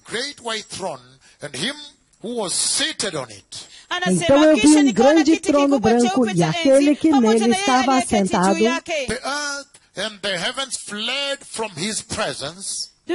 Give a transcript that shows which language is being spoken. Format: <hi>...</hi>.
<en>great white throne and him who was seated on it.</en> <pt>Então eu vi um grande trono branco e aquele que nele estava sentado.</pt> <en>The earth and the heavens fled from his presence.</en>